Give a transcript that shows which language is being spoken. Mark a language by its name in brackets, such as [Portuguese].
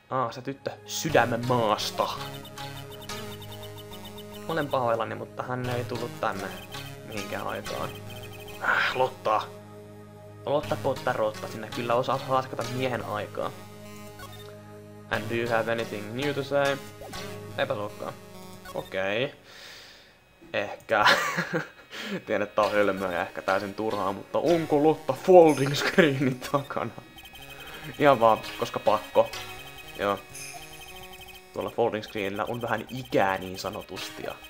[Finnish] Se tyttö sydämen maasta. Olen pahoillani, mutta hän ei tullut tänne mihinkään aikaan. Lotta! Lotta Potterotta, sinä kyllä osaat haaskata miehen aikaa. [English] And do you have anything new to say? [Finnish] Eipä suokkaan. Okei. Ehkä. Tiedän, että tää on hölmöä ja ehkä täysin turhaa, mutta onko Lotta folding screenin takana? Ihan vaan, koska pakko. Joo. Tuolla folding screenillä on vähän ikää niin sanotusti.